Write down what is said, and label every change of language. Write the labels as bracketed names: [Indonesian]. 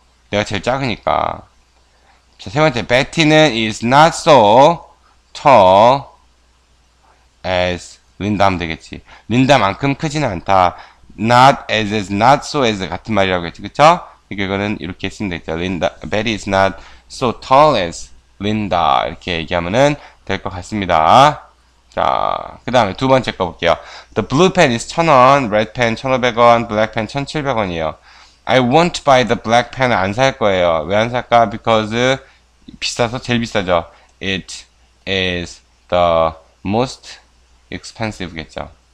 [Korean] 내가 제일 작으니까. 자, 세 번째. Betty는 [English] is not so tall as Linda [Korean] 하면 되겠지. Linda만큼 크진 않다. [English] Not as is not so as [Korean] 같은 말이라고 했지. 그쵸? 이거는 이렇게 쓰면 되겠죠. [English] Linda, Betty is not so tall as Linda. [Korean] 이렇게 얘기하면은 될것 같습니다. 자, 그 다음에 두 번째 거 볼게요. [English] The blue pen is 1,000원, red pen 1,500원, black pen 1,700원이에요. I won't buy the black pen [Korean] 안살 거예요. 왜안 살까? [English] Because [Korean] 비싸서 제일 비싸죠. [English] It is the most expensive겠죠.